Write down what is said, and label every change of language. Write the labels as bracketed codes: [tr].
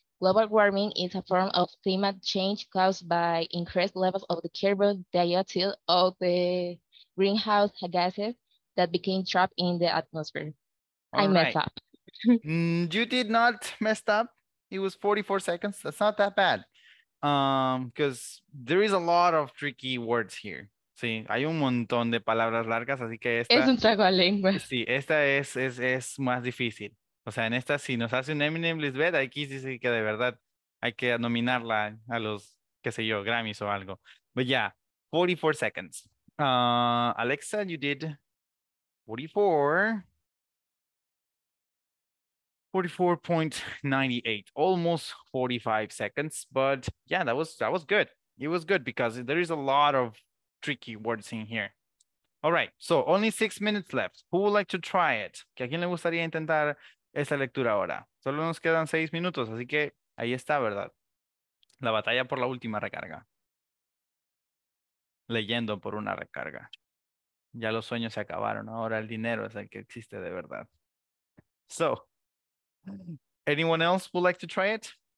[en] Global warming is a form of climate change caused by increased levels of the carbon dioxide of the greenhouse gases that became trapped in the atmosphere. I messed up. You did not mess up. It was 44 seconds. That's not that bad. Because there is a lot of tricky words here. [es] Sí, hay un montón de palabras largas, así que esta... Es un trago a lengua. Sí, esta es más difícil. O sea, en esta, si nos hace un Eminem Lisbeth, aquí sí, sí que de verdad hay que nominarla a los, qué sé yo, Grammys o algo. [en] But yeah, 44 seconds. Alexa, you did 44.98, almost 45 seconds. But yeah, that was good. It was good because there is a lot of tricky words in here. All right, so only 6 minutes left. Who would like to try it? [es] ¿A quién le gustaría intentar esa lectura ahora? Solo nos quedan 6 minutos, así que ahí está, ¿verdad? La batalla por la última recarga. Leyendo por una recarga. Ya los sueños se acabaron. Ahora el dinero es el que existe de verdad. [en] So, anyone else would like to try it?